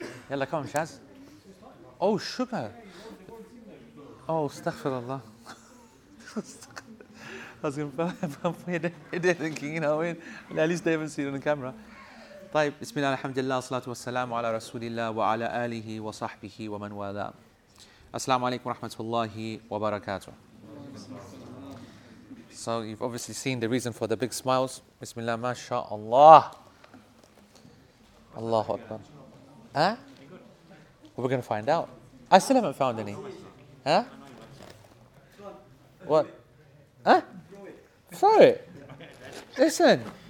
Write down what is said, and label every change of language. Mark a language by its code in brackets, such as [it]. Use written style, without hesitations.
[en] Yalla, come on, Shaz. Oh, sugar. Oh, astaghfirullah. I was going to bump my head thinking, you know, at least they haven't seen it on the camera. [ar] طيب بسم الله الحمد لله والصلاه والسلام على رسول الله وعلى اله وصحبه ومن والاه السلام عليكم ورحمه الله وبركاته. [en] So you've obviously seen the reason for the big smiles. [ar] بسم الله ما شاء الله الله اكبر. [en] Huh? We're going to find out. I still haven't found any. Huh? What? Huh? Throw it. Listen.